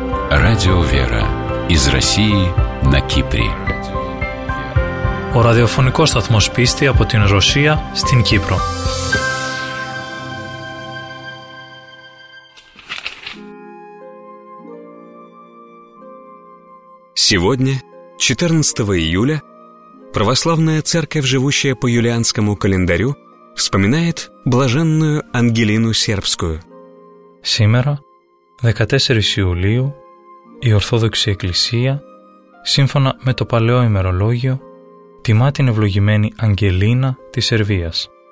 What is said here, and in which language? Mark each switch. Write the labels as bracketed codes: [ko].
[ru] Радио «Вера» из России на Кипре. [el] Ο ραδιοφωνικός σταθμός πίστη από την Ρωσία στην Κύπρο. [ru] Сегодня, 14 июля, Православная Церковь, живущая по юлианскому календарю, вспоминает блаженную Ангелину Сербскую. Сегодня, 14 июля, [el] η Ορθόδοξη Εκκλησία, σύμφωνα με το παλαιό ημερολόγιο, τιμά την ευλογημένη Αγγελίνα της Σερβίας.